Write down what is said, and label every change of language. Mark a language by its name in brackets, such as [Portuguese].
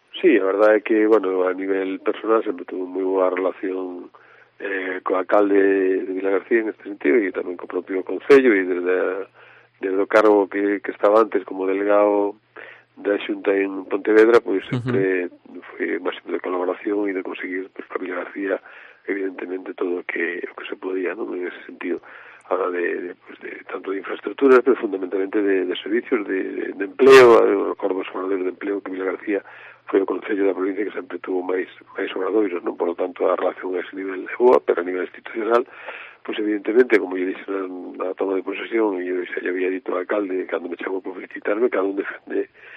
[Galician] Sí, a verdade é que, bueno, a nivel personal sempre tuve moi boa relación co alcalde de Vilagarcía en este sentido, e tamén co propio Concello, e desde o cargo que estaba antes como delegado da Xunta en Pontevedra, pois sempre foi máis de colaboración e de conseguir, pois, para Vilagarcía, evidentemente, todo o que se podía, non? [Spanish] En ese sentido, habla de tanto de infraestructuras, pero fundamentalmente de servicios, de empleo. [Galician] Eu recordo os obradoiros de empleo, que Vilagarcía foi o concello da provincia que sempre tuvo máis obradoiros, non? [Spanish] Por lo tanto, [Galician] a relación a ese nivel é boa, pero a nivel institucional, pois evidentemente, como eu dixen na toma de posesión, e eu xa había dito ao alcalde cando me chamou para felicitarme, cada un defende